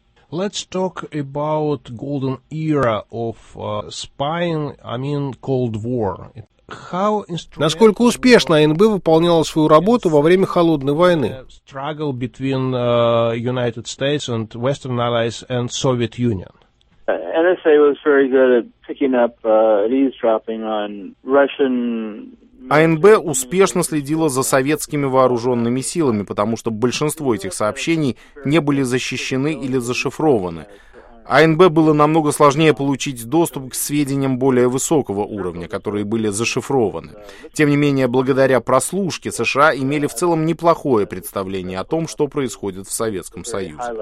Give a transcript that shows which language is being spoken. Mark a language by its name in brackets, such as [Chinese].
[English] Let's talk about golden era of spying, I mean Cold War. [Russian] Насколько успешно АНБ выполняла свою работу во время Холодной войны? [English] Struggle between United States and Western allies and Soviet Union. NSA was very good at picking up eavesdropping on Russian. [Russian] АНБ успешно следила за советскими вооруженными силами, потому что большинство этих сообщений не были защищены или зашифрованы. АНБ было намного сложнее получить доступ к сведениям более высокого уровня, которые были зашифрованы. Тем не менее, благодаря прослушке США имели в целом неплохое представление о том, что происходит в Советском Союзе.